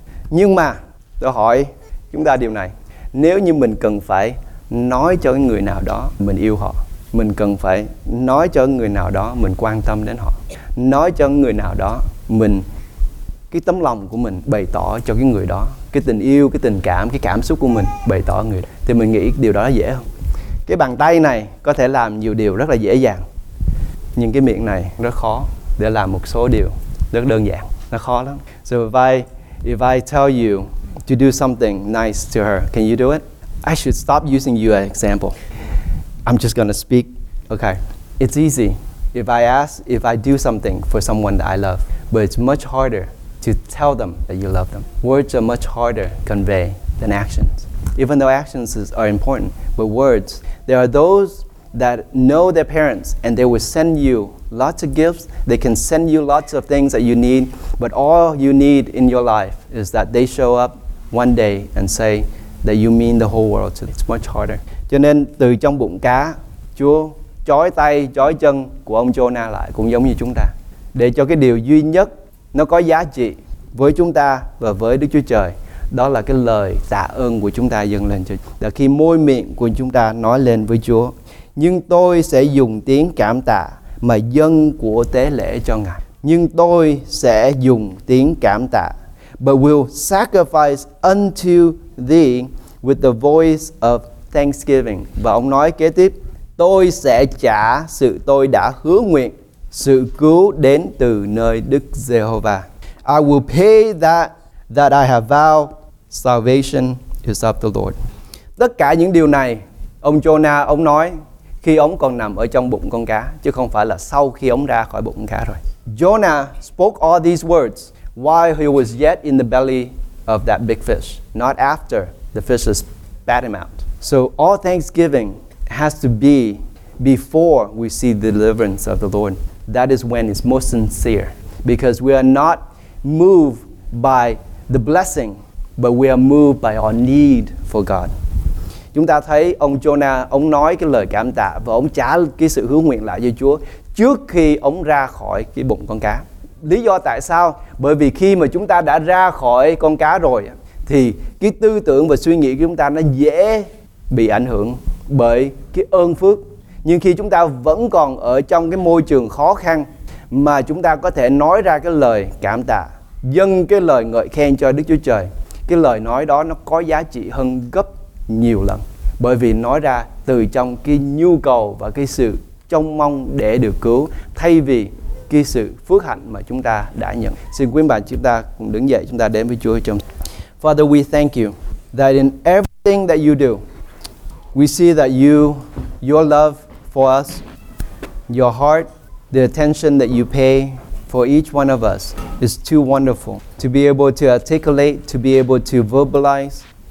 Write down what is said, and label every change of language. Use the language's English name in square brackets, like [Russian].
[Vietnamese] Nhưng mà tôi hỏi chúng ta điều này, nếu như mình cần phải nói cho người nào đó mình yêu họ, mình cần phải nói cho người nào đó mình quan tâm đến họ, nói cho người nào đó mình, cái tấm lòng của mình bày tỏ cho cái người đó, cái tình yêu, cái tình cảm, cái cảm xúc của mình bày tỏ người đó, thì mình nghĩ điều đó dễ không? Cái bàn tay này có thể làm nhiều điều rất là dễ dàng, nhưng cái miệng này rất khó để làm một số điều rất đơn giản, nó khó lắm. [English] So if I tell you to do something nice to her, can you do it? I should stop using you as an example. I'm just gonna speak. Okay, it's easy if I do something for someone that I love, but it's much harder to tell them that you love them. Words are much harder to convey than actions. Even though actions are important, but words, there are those that know their parents and they will send you lots of gifts, they can send you lots of things that you need, but all you need in your life is that they show up one day and say that you mean the whole world to them. It's much harder. [Vietnamese] Cho nên từ trong bụng cá, Chúa chói tay, chói chân của ông Giô-na lại cũng giống như chúng ta. Để cho cái điều duy nhất nó có giá trị với chúng ta và với Đức Chúa Trời, đó là cái lời tạ ơn của chúng ta dâng lên cho Chúa. Là khi môi miệng của chúng ta nói lên với Chúa, nhưng tôi sẽ dùng tiếng cảm tạ mà dâng của tế lễ cho Ngài. Nhưng tôi sẽ dùng tiếng cảm tạ. [English] But will sacrifice unto thee with the voice of thanksgiving. [Vietnamese] Và ông nói kế tiếp, tôi sẽ trả sự tôi đã hứa nguyện, sự cứu đến từ nơi Đức Giê-hô-va. [English] I will pay that I have vowed. Salvation is of the Lord. [Vietnamese] Tất cả những điều này ông Giô-na ông nói khi ông còn nằm ở trong bụng con cá, chứ không phải là sau khi ông ra khỏi bụng con cá rồi. [English] Giô-na spoke all these words while he was yet in the belly of that big fish, not after the fish has spat him out. So all thanksgiving has to be before we see the deliverance of the Lord. That is when it's most sincere, because we are not moved by the blessing, but we are moved by our need for God. [Vietnamese] Chúng ta thấy ông Giô-na, ông nói cái lời cảm tạ và ông trả cái sự hứa nguyện lại cho Chúa trước khi ông ra khỏi cái bụng con cá. Lý do tại sao? Bởi vì khi mà chúng ta đã ra khỏi con cá rồi thì cái tư tưởng và suy nghĩ của chúng ta nó dễ bị ảnh hưởng bởi cái ơn phước. Nhưng khi chúng ta vẫn còn ở trong cái môi trường khó khăn mà chúng ta có thể nói ra cái lời cảm tạ, dâng cái lời ngợi khen cho Đức Chúa Trời, cái lời nói đó nó có giá trị hơn gấp nhiều lần. Bởi vì nói ra từ trong cái nhu cầu và cái sự trông mong để được cứu, thay vì cái sự phước hạnh mà chúng ta đã nhận. Xin quý bạn chúng ta cùng đứng dậy, chúng ta đến với Chúa trong. [English] Father, we thank you that in everything that you do, we see that your love for us, your heart, the attention that you pay for each one of us is too wonderful to be able to articulate, to be able to verbalize.